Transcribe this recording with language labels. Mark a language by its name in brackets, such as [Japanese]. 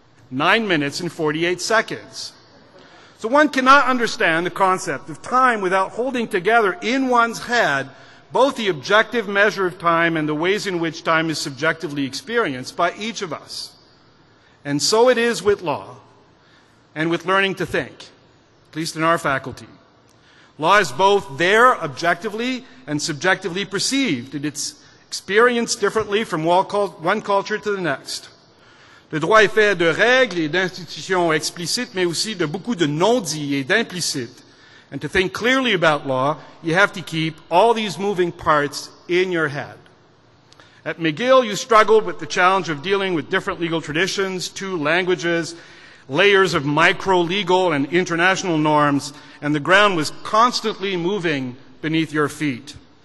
[English] 9 minutes and 48 seconds. So one cannot understand the concept of time without holding together in one's head both the objective measure of time and the ways in which time is subjectively experienced by each of us. And so it is with law and with learning to think, at least in our faculty. Law is both there objectively and subjectively perceived, and it's experienced differently from one culture to the next. [French] Le droit est fait de règles et d'institutions explicites, mais aussi de beaucoup de non-dits et d'implicites. [English] And to think clearly about law, you have to keep all these moving parts in your head. At McGill, you struggled with the challenge of dealing with different legal traditions, 2 languages, layers of micro-legal and international norms, and the ground was constantly moving beneath your feet.